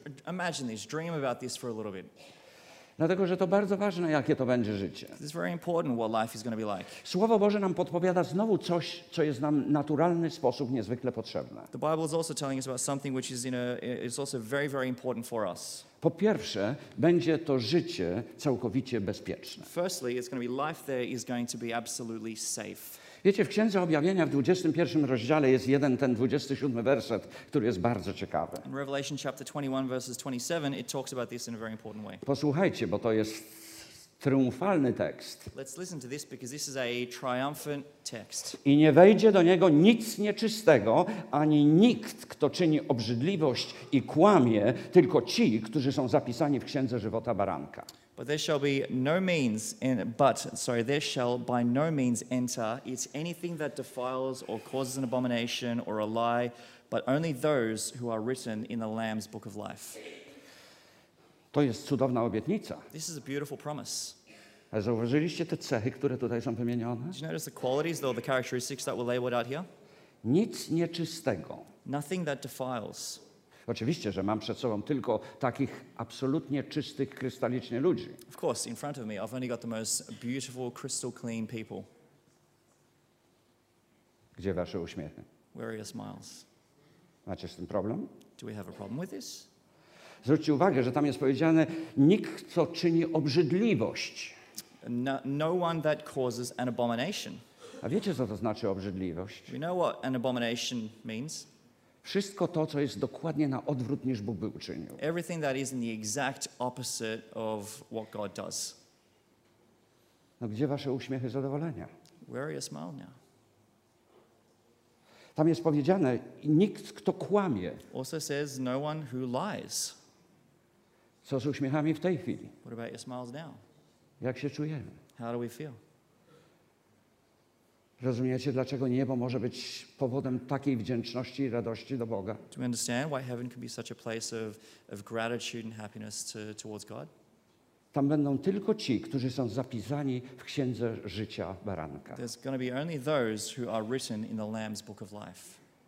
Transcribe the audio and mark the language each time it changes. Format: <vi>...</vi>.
<en>Imagine this, dream about this for a little bit.</en> <pl>Dlatego, że to bardzo ważne, jakie to będzie życie.</pl> <en>It's very important what life is going to be like.</en> <pl>Słowo Boże nam podpowiada znowu coś, co jest nam naturalny sposób niezwykle potrzebne.</pl> <en>The Bible is also telling us about something which is is also very, very important for us.</en> <pl>Po pierwsze, będzie to życie całkowicie bezpieczne.</pl> <en>Firstly, it's going to be life there is going to be absolutely safe.</en> <pl>Wiecie, w Księdze Objawienia w 21 rozdziale jest jeden ten 27 werset, który jest bardzo ciekawy.</pl> <en>In Revelation chapter 21 verses 27 it talks about this in a very important way.</en> <pl>Posłuchajcie, bo to jest triumfalny tekst.</pl> <en>Let's listen to this because this is a triumphant text.</en> <pl>I nie wejdzie do niego nic nieczystego, ani nikt, kto czyni obrzydliwość i kłamie, tylko ci, którzy są zapisani w Księdze Żywota Baranka.</pl> <en>But there shall be no means in but sorry there shall by no means enter it anything that defiles or causes an abomination or a lie but only those who are written in the Lamb's book of life.</en> <pl>To jest cudowna obietnica.</pl> <en>This is a beautiful promise.</en> <pl>A zauważyliście te cechy, które tutaj są wymienione?</pl> <en>Did you notice the qualities or the characteristics that were labeled out here?</en> <pl>Nic nieczystego.</pl> <en>Nothing that defiles.</en> <pl>Oczywiście, że mam przed sobą tylko takich absolutnie czystych, krystalicznie ludzi.</pl> <en>Of course, in front of me, I've only got the most beautiful, crystal clean people.</en> <pl>Gdzie wasze uśmiechy?</pl> <en>Where are your smiles?</en> <pl>Macie z tym problem?</pl> <en>Do we have a problem with this?</en> <pl>Zwróćcie uwagę, że tam jest powiedziane, nikt, kto czyni obrzydliwość.</pl> <en>No one that causes an abomination.</en> <pl>A wiecie, co to znaczy obrzydliwość?</pl> <en>We know what an abomination means.</en> <pl>Wszystko to, co jest dokładnie na odwrót, niż Bóg by uczynił.</pl> <en>Everything that is in the exact opposite of what God does.</en> <pl>No gdzie wasze uśmiechy zadowolenia?</pl> <en>Where are your smile now?</en> <pl>Tam jest powiedziane, nikt, kto kłamie.</pl> <en>Also says no one who lies.</en> <pl>Co z uśmiechami w tej chwili?</pl> <en>What about your smiles now?</en> <pl>Jak się czujemy?</pl> <en>How do we feel?</en> <pl>Rozumiecie, dlaczego niebo może być powodem takiej wdzięczności i radości do Boga?</pl> <en>Do you understand why heaven can be such a place of gratitude and happiness towards God?</en> <pl>Tam będą tylko ci, którzy są zapisani w Księdze Życia Baranka.</pl> <en>There's going to be only those who are written in the Lamb's Book of Life.</en>